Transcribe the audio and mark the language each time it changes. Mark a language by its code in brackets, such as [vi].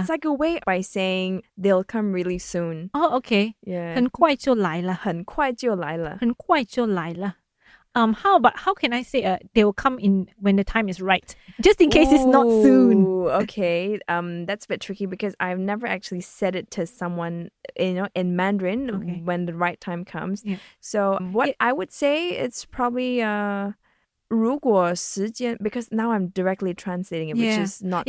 [en] It's like a way by saying they'll come really soon. Oh, okay. Yeah. [zh] 很快就来了,很快就来了,很快就来了. [en] How can I say they'll come in when the time is right? Just in case Ooh, it's not soon. Okay. That's a bit tricky because I've never actually said it to someone, you know, in Mandarin okay. when the right time comes. Yeah. So what I would say it's probably [zh] 如果时间, [en] because now I'm directly translating it, which is not